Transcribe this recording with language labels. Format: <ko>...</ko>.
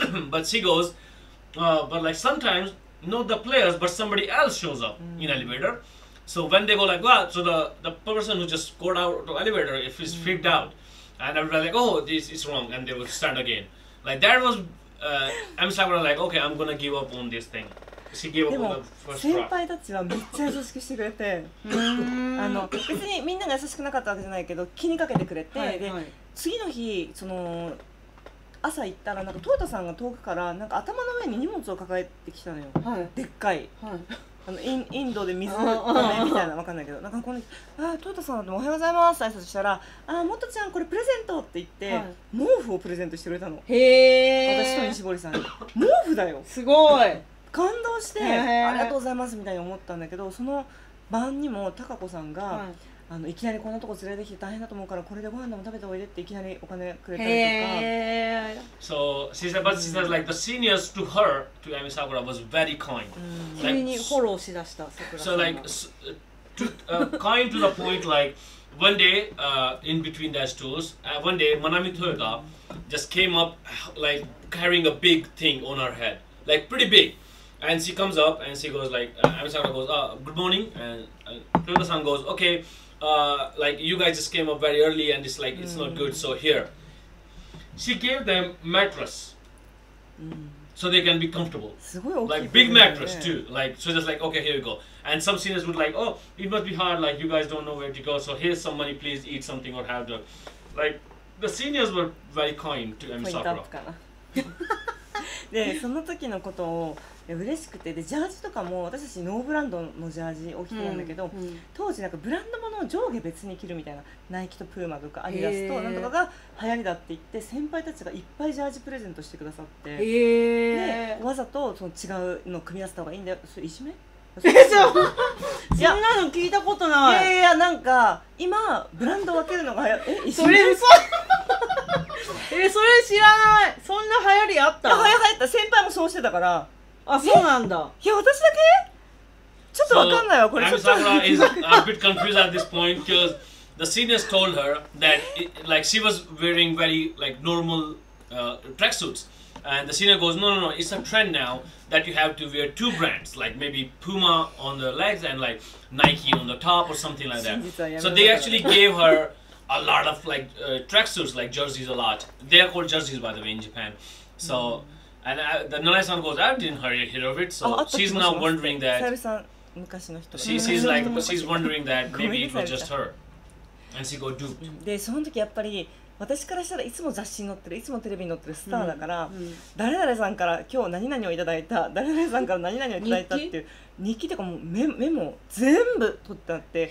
<en>But she goes, but like sometimes, not the players, but somebody else shows up in elevator. So when they go like, well, so the person who just got out of the elevator, if he's freaked out. And everybody like, oh, this is wrong. And they will start again. Like, that was... I'm Sakura like, okay, I'm gonna give up on this thing. She gave up on the first try.</en> <ja>先輩たちはめっちゃ優しくしてくれて、あの別にみんなが優しくなかったわけじゃないけど気にかけてくれて、はいはい、で次の日その朝行ったらなんかトヨタさんが遠くからなんか頭の上に荷物を抱えてきたのよ、はい、でっかい、はい、あのインドで水だねみたいな、わかんないけどなんかこの、あ、トヨタさんおはようございますって挨拶したら、あ、もとちゃんこれプレゼントって言って、はい、毛布をプレゼントしてくれたの。へー、私と西堀さん毛布だよ、すごい感動して、ありがとうございますみたいに思ったんだけど、その晩にも高子さんが、はい、あのいきなりこんなとこ連れてきて大変だと思うからこれでご飯でも食べておいでっていきなりお金くれたりとか。</ja> <en>So she said, but she said like the seniors to her, to Amy Sakura was very kind.</en> <ja>急にフォローしだした、</ja> <en>Sakura</en> <ja>さんが。</ja> <en>So like, to, kind to the point like, one day, in between those tools, one day, Manami Toyota just came up like carrying a big thing on her head. Like pretty big. And she comes up and she goes like, Amy Sakura goes, good morning. And Toyota-san goes, okay. Like you guys just came up very early and it's like it's not good, so here. She gave them mattress so they can be comfortable. Like big mattress too. Like, so just like, okay, here you go. And some seniors would like, oh, it must be hard, like you guys don't know where to go, so here's some money, please eat something or have the. Like the seniors were very kind to Amy Sakura.</en> <ja>で、その時のことを嬉しくて、でジャージとかも私たちノーブランドのジャージを着てたんだけど、うんうん、当時なんかブランドものを上下別に着るみたいな、ナイキとプーマとかアディダスとなんとかが流行りだって言って先輩たちがいっぱいジャージプレゼントしてくださって、でわざとその違うの組み合わせた方がいいんだよ、それいじめ？そんなの聞いたことない。いやいや、なんか今ブランド分けるのが流行、え、いじめ？それえ、それ知らない。そんな流行りあった？流行った、先輩もそうしてたから。あ、そうなんだ。いや、私だけ？ちょっとわかんないわ、これ。</ja> <en>So, Sakura is a bit confused at this point because the seniors told her that it, like, she was wearing very like, normal tracksuits. And the senior goes, no, no, no, it's a trend now that you have to wear two brands, like maybe Puma on the legs and like Nike on the top or something like that. So they actually gave her a lot of like, tracksuits, like jerseys a lot. They are called jerseys, by the way, in Japan. So,And the Nanae-san goes, I didn't hear of it, so she's now wondering that. She's like, she's wondering that maybe it was just her. And she goes, dude.</en> <ja>で、その時やっぱり、私からしたらいつも雑誌に載ってる、いつもテレビに載ってるスターだから、誰々さんから今日何々をいただいた、誰々さんから何々をいただいたっていう日記とかもメモ全部取ってあって、</ja>